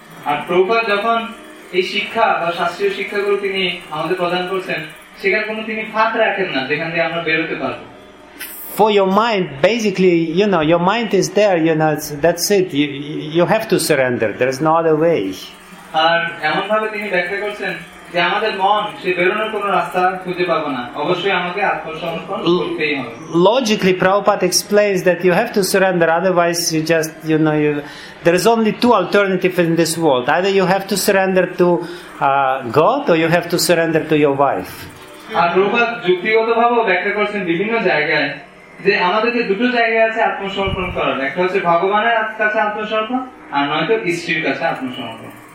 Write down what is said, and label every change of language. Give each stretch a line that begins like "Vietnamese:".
Bangla: আর প্রভুপাদ যখন এই শিক্ষা বা শাস্ত্রীয় শিক্ষাগুলো তিনি আমাদের প্রদান করছেন, সেখানে কোনো তিনি ফাঁক রাখেন না যেখান থেকে আমরা বেরোতে পারবো।
English: For your mind, basically, you know, your mind is there, you know, that's it. You have to surrender. There is no other way.
Bangla: আর এমনভাবে তিনি ব্যাখ্যা করছেন যে আমাদের মন সে বেরোনোর কোনো রাস্তা খুঁজে পাবে না, অবশ্যই আমাকে আত্মসমর্পণ করতেই হবে।
English: Logically, Prabhupada explains that you have to surrender, otherwise you just, you know, you, there is only two alternatives in this world. Either you have to surrender to God, or you have to surrender to your wife.
Bangla: আর প্রভুপাদ যুক্তিগতভাবে ব্যাখ্যা করছেন বিভিন্ন জায়গায় যে আমাদেরকে দুটো জায়গায় আছে আত্মসমর্পণ করার, একটা হচ্ছে ভগবানের কাছে আত্মসমর্পণ, আর নয়তো স্ত্রীর কাছে আত্মসমর্পণ।